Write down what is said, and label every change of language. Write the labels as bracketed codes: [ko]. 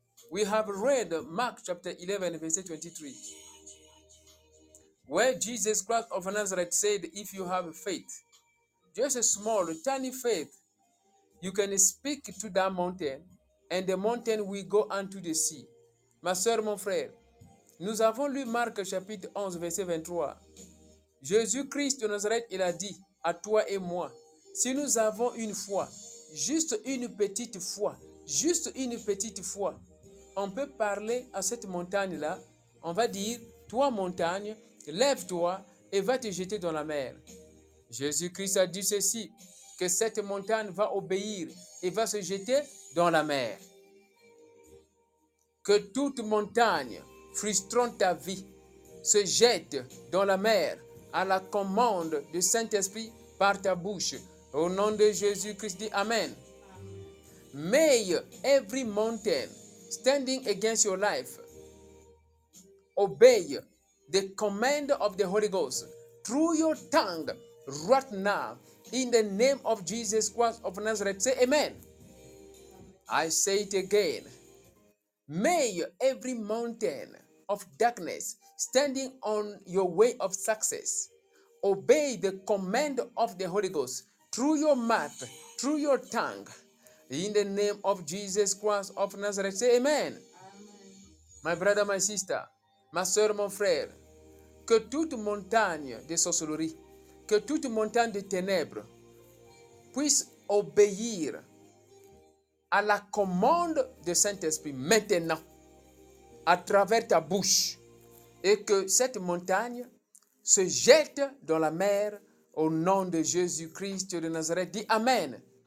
[en] We have read Mark chapter 11, verse 23, where Jesus Christ of Nazareth said, if you have faith, just a small, tiny faith, you can speak to that mountain, and the mountain will go unto the sea. [fr] Ma soeur, mon frère, nous avons lu Marc chapitre 11, verset 23. Jésus-Christ de Nazareth, il a dit à toi et moi, si nous avons une foi, juste une petite foi, juste une petite foi, on peut parler à cette montagne-là, on va dire, toi montagne, lève-toi et va te jeter dans la mer. Jésus-Christ a dit ceci, que cette montagne va obéir et va se jeter dans la mer. Que toute montagne frustrant ta vie se jette dans la mer à la commande du Saint-Esprit par ta bouche. Au nom de Jésus-Christ, dis Amen. [en] May every mountain standing against your life obey the command of the Holy Ghost through your tongue right now in the name of Jesus Christ of Nazareth. Say Amen. I say it again. May every mountain of darkness standing on your way of success obey the command of the Holy Ghost through your mouth, through your tongue, in the name of Jesus Christ of Nazareth. Say Amen. Amen. My brother, my sister, [fr] ma soeur, mon frère, que toute montagne de sorcellerie, que toute montagne de ténèbres puisse obéir à la commande du Saint-Esprit maintenant, à travers ta bouche, et que cette montagne se jette dans la mer au nom de Jésus-Christ de Nazareth. Dis Amen.